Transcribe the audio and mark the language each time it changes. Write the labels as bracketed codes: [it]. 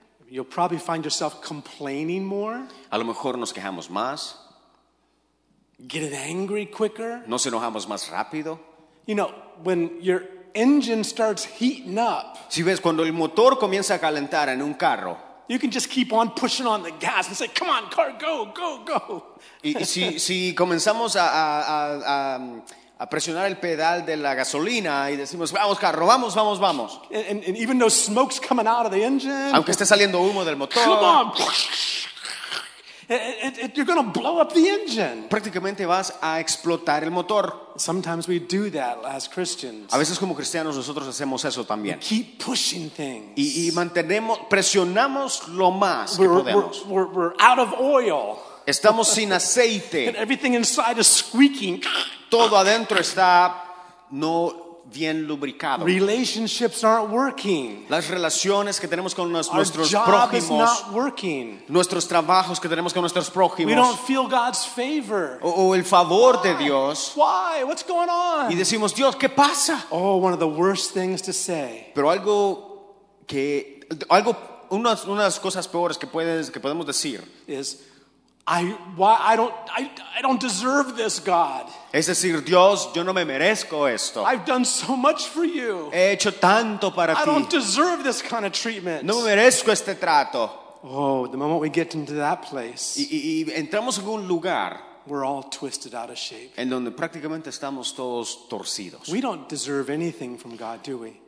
[en] You'll probably find yourself complaining more. [es] A lo mejor nos quejamos más. [en] Get angry quicker. [es] Nos enojamos más rápido. [en] You know, when you're engine starts heating up. [es] Si ves cuando el motor comienza a calentar en un carro. [en] You can just keep on pushing on the gas and say, "Come on, car, go." [es] Y si comenzamos a presionar el pedal de la gasolina y decimos, "Vamos, carro, vamos." [en] And even though smoke's coming out of the engine. [es] Aunque esté saliendo humo del motor. [en] Come on. It, you're going to blow up the engine. [es] Prácticamente vas a explotar el motor. [en] Sometimes we do that as Christians. [es] A veces como cristianos nosotros hacemos eso también. [en] We keep pushing things. [es] Y mantenemos, presionamos lo más que podemos. [en] We're out of oil. [es] Estamos sin aceite. [en] And everything inside is squeaking. [es] Todo adentro está no bien lubricado. [en] Relationships aren't working. [es] Las relaciones que tenemos con nuestros [en] Our job [es] prójimos, [en] is not working. [es] Nuestros trabajos que tenemos con nuestros prójimos. [en] We don't feel God's favor. [es] O el favor de Dios. [en] Why? What's going on? [es] Y decimos, Dios, ¿qué pasa? [en] Oh, one of the worst things to say. [es] Pero algo que algo unas cosas peores que podemos decir es [en] I don't deserve this, God. [es] Es decir, Dios, yo no me merezco esto. [en] I've done so much for you. [es] He hecho tanto para ti. [en] I don't deserve this kind of treatment. [es] No merezco este trato. [en] Oh, the moment we get into that place. [es] Y entramos en un lugar. [en] We're all twisted out of shape. [es] En donde prácticamente estamos todos torcidos. [en] We don't deserve anything from God, do we?